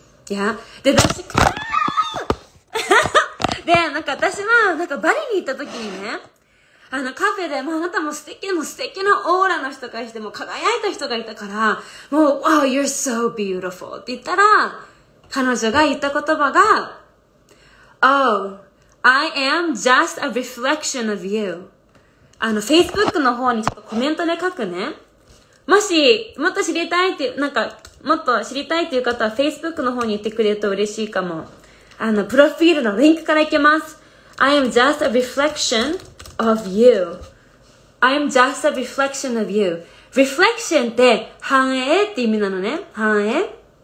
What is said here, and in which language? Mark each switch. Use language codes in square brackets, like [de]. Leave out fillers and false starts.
[ja] いや、で、私、で、なんか私は、なんかバリに行った時にね、あのカフェで、もうあなたも素敵なオーラの人がいて、もう輝いた人がいたから、もう、 [en] Wow, you're so beautiful [ja] って言ったら、彼女が言った言葉が、 [en] Oh,I am just a reflection of you. [ja] あの、Facebook の方にちょっとコメントで書くね。もし、もっと知りたいっていう、なんか、もっと知りたいっていう方は Facebook の方に行ってくれると嬉しいかも。あの、プロフィールのリンクから行けます。 [en] I am just a reflection of you. I am just a reflection of you. [ja] Reflection って反映って意味なのね。反映。